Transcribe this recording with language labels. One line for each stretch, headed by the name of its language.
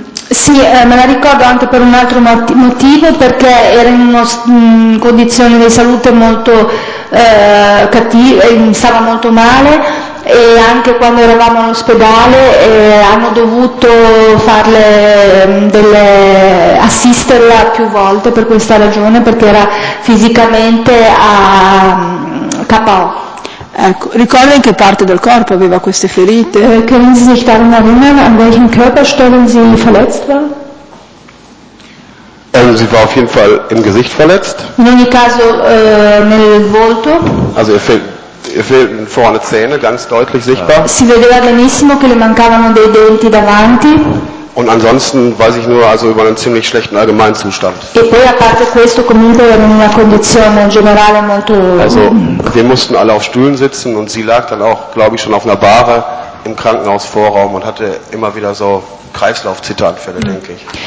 Italian: Sì, me la ricordo anche per un altro motivo, perché era in una condizione di salute molto cattiva, stava molto male, e anche quando eravamo all'ospedale hanno dovuto farle assisterla più volte per questa ragione, perché era fisicamente a KO. Ecco, ricorda in che parte del corpo aveva queste ferite?
German: Können Sie sich daran erinnern, an welchen Körperstellen sie verletzt war? Sie war auf jeden Fall im Gesicht verletzt.
Italian: In ogni caso nel volto.
German: Also ihr fehlten vorne Zähne, ganz deutlich sichtbar.
Italian: Si vedeva benissimo che le mancavano dei denti davanti.
German: Und ansonsten weiß ich nur also über einen ziemlich schlechten Allgemeinzustand.
Italian: E poi a parte questo comunque era in una condizione generale molto.
German: Also wir mussten alle auf Stühlen sitzen und sie lag dann auch, glaube ich, schon auf einer Bahre im Krankenhausvorraum und hatte immer wieder so Kreislaufzitteranfälle, denke ich.